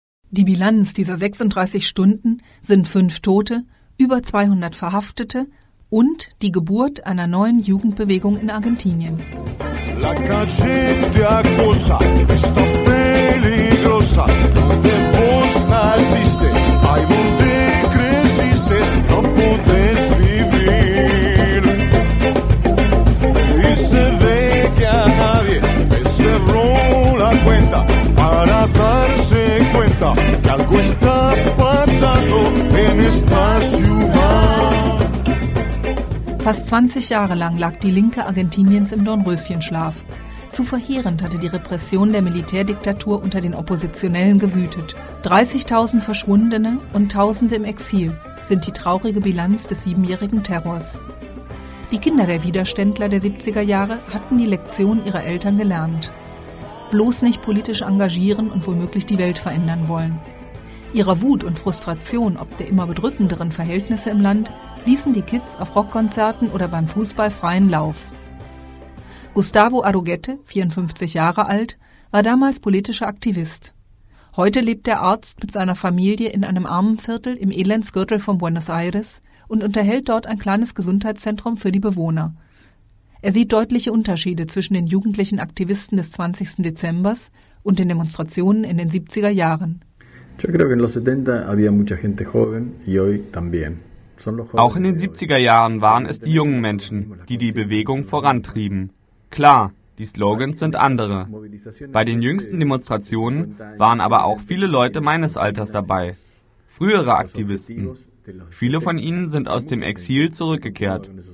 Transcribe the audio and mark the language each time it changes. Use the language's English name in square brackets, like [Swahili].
[German] Die Bilanz dieser 36 Stunden sind 5 Tote, über 200 Verhaftete und die Geburt einer neuen Jugendbewegung in Argentinien. [Spanish] La calle te acosa, esto peligrosa, donde vos naciste, ahí donde creciste, no podés vivir. Y se ve que a nadie le cerró la cuenta para darse cuenta que algo está pasando en esta ciudad. [German] Fast 20 Jahre lang lag die Linke Argentiniens im Dornröschenschlaf. Zu verheerend hatte die Repression der Militärdiktatur unter den Oppositionellen gewütet. 30.000 Verschwundene und Tausende im Exil sind die traurige Bilanz des siebenjährigen Terrors. Die Kinder der Widerständler der 70er Jahre hatten die Lektion ihrer Eltern gelernt. Bloß nicht politisch engagieren und womöglich die Welt verändern wollen. Ihrer Wut und Frustration ob der immer bedrückenderen Verhältnisse im Land ließen die Kids auf Rockkonzerten oder beim Fußball freien Lauf. Gustavo Arrughete, 54 Jahre alt, war damals politischer Aktivist. Heute lebt der Arzt mit seiner Familie in einem armen Viertel im Elendsgürtel von Buenos Aires und unterhält dort ein kleines Gesundheitszentrum für die Bewohner. Er sieht deutliche Unterschiede zwischen den jugendlichen Aktivisten des 20. Dezembers und den Demonstrationen in den 70er Jahren. [Spanish] Yo creo que en los 70 había mucha gente joven y hoy también. [German] Auch in den 70er Jahren waren es die jungen Menschen, die die Bewegung vorantrieben. Klar, die Slogans sind andere. Bei den jüngsten Demonstrationen waren aber auch viele Leute meines Alters dabei. Frühere Aktivisten. Viele von ihnen sind aus dem Exil zurückgekehrt.